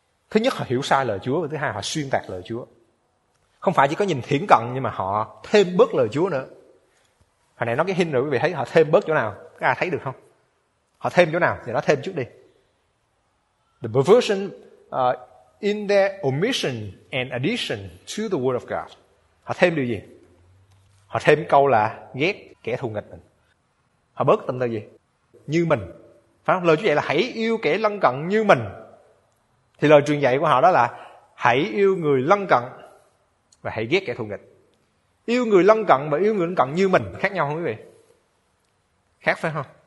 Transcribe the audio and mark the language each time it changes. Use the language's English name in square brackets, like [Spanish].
[Vietnamese] Thứ nhất họ hiểu sai lời Chúa, và thứ hai họ xuyên tạc lời Chúa. Không phải chỉ có nhìn hiển cận, nhưng mà họ thêm bớt lời Chúa nữa. Hồi nãy nói cái hình rồi, quý vị thấy họ thêm bớt chỗ nào? Các ai thấy được không? Họ thêm chỗ nào? Thì nói thêm chút đi. [English] The perversion in their omission and addition to the word of God. [Vietnamese] Họ thêm điều gì? Họ thêm câu là ghét kẻ thù nghịch mình. Họ bớt tâm tư gì? Như mình. Phải không? Lời Chúa dạy là hãy yêu kẻ lân cận như mình. Thì lời truyền dạy của họ đó là hãy yêu người lân cận và hãy ghét kẻ thù nghịch. Yêu người lân cận và yêu người lân cận như mình khác nhau không quý vị? Khác phải không?